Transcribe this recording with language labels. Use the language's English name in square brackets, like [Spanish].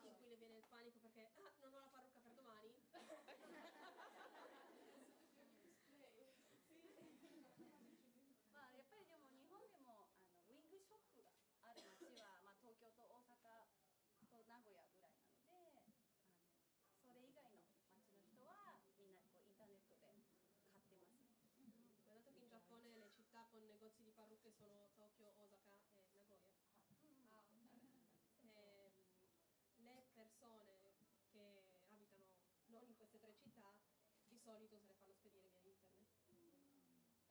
[Italian] quindi i momenti in cui le viene il panico perché non ho la parrucca per domani。 [Japanese] まあやっぱりでも日本でもあのウィッグショップがある街は、まあ、東京と大阪と名古屋ぐらいなので、あのそれ以外の街の人はみんなこうインターネットで買ってます。 [Italian] dato che in Giappone le città con negozi di parrucche sono Tokyo, Osaka e Nagoya, le persone che abitano non in queste tre città di solito se le fanno spedire via internet.